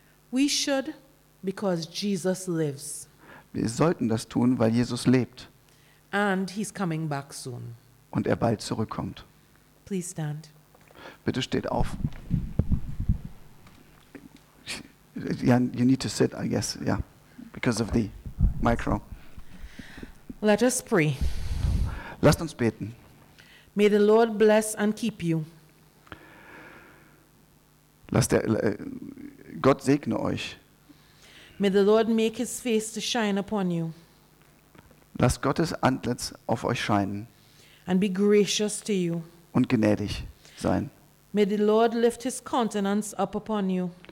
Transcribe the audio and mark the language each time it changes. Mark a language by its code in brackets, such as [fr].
[en] We should, because Jesus lives. [de] Wir sollten das tun, weil Jesus lebt. [en] And he's coming back soon. [de] Und er bald zurückkommt. [en] Please stand. [de] Bitte steht auf. [en] You need to sit, I guess, yeah, because of the micro. Let us pray. [de] Lasst uns beten. [en] May the Lord bless and keep you. [de] Gott segne euch. [en] May the Lord make his face to shine upon you. [de] Lasst Gottes Antlitz auf euch scheinen. [en] And be gracious to you. [de] Und gnädig sein. [en] May the Lord lift his countenance up upon you.